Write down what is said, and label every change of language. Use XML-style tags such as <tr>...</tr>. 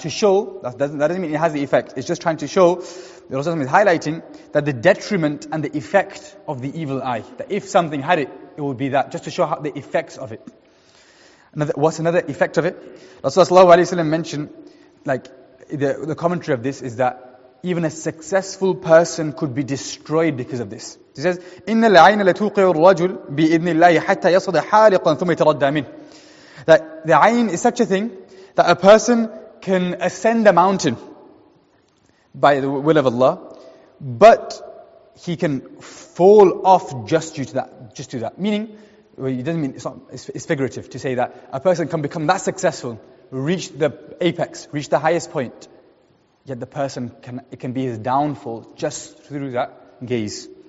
<en>To show, that doesn't mean it has the effect. It's just trying to show, the Rasulullah is highlighting, that the detriment and the effect of the evil eye. That if something had it, it would be that. Just to show how the effects of it. What's another effect of it? Rasulullah ﷺ mentioned, like, the commentary of this is that even a successful person could be destroyed because of this.</en> <ar>He says, إِنَّ الْعَيْنَ لَتُوقِعُ الرَّجُلُ بِإِذْنِ اللَّهِ حَتَّى يَصَدَ حَالِقًا ثُمَّ يَتَرَدَّى مِنْ.</ar> <en>That the ayn is such a thing that a person can ascend a mountain by the will of Allah, but he can fall off just due to that. Meaning, well, it doesn't mean it's figurative to say that a person can become that successful, reach the apex, reach the highest point, yet the person can be his downfall just through that gaze.</en>